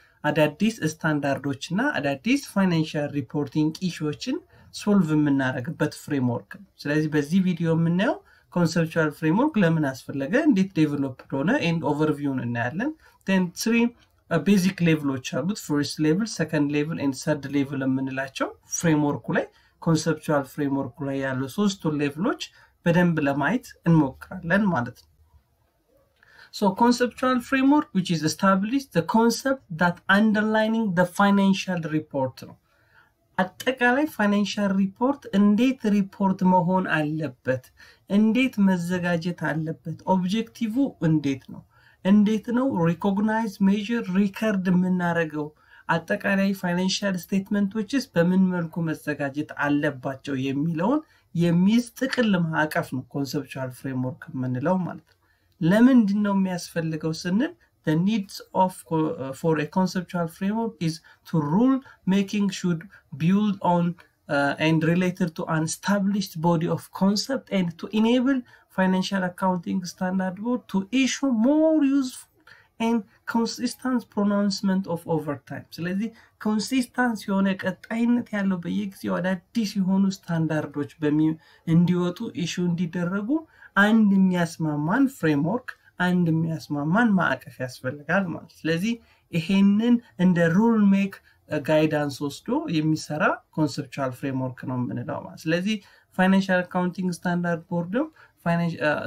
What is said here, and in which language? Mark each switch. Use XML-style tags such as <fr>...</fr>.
<am>አዳዲስ ስታንዳርዶችና አዳዲስ ፋይናንሻል ሪፖርቲንግ ኢሹዎችን ሶልቭ የምናረግበት ፍሬምወርክ ነው። ስለዚህ በዚህ ቪዲዮ የምናየው ኮንሰፕቹዋል ፍሬምወርክ ለምን አስፈልገ እንዴት ዴቨሎፕ ሆነ ኤንድ ኦቨርቪውን እናያለን። ቴን 3 ቤዚክ ሌቭሎች አሉት። ፈርስት ሌቭል፣ ሰከንድ ሌቭል ኤንድ ሰርድ ሌቭል የምንላቸው ፍሬምወርኩ ላይ ኮንሰፕቹዋል ፍሬምወርኩ ላይ ያሉ ሶስቱ ሌቭሎች በደንብ ለማየት እንሞክራለን ማለት ነው።</am> <en>So conceptual framework, which is established the concept that underlining the financial report.</en> <am>አጠቃላይ financial report እንዴት report መሆን አለበት? እንዴት መዘጋጀት አለበት? Objective እንዴት ነው? እንዴት ነው recognize, measure, record የምናረገው? አጠቃላይ financial statement which is በምን መልኩ መዘጋጀት አለባቸው የሚለውን የሚይዝ ጥቅል ማዕቀፍ ነው conceptual framework የምንለው ማለት ነው። ለምን እንደው የሚያስፈልገው ስንል</am> <en>the needs of for a conceptual framework is to rule making should build on and related to an established body of concept and to enable financial accounting standard board to issue more useful and consistent pronouncement of over time.</en> <am>ስለዚህ consistency የሆነ ቀጣይነት ያለው በየጊዜው አዳዲስ የሆኑ ስታንዳርዶች እንዲወጡ issue እንዲደረጉ አንድ የሚያስማማን ፍሬምወርክ አንድ የሚያስማማን ማዕቀፍ ያስፈልጋል ማለት። ስለዚህ ይሄንን እንደ ሩል ሜክ ጋይዳንስ ወስዶ የሚሰራ ኮንሰፕቹዋል ፍሬምወርክ ነው የምንለው ማለት። ስለዚህ ፋይናንሻል አካውንቲንግ ስታንዳርድ ቦርድም ፋይናንሻል</am>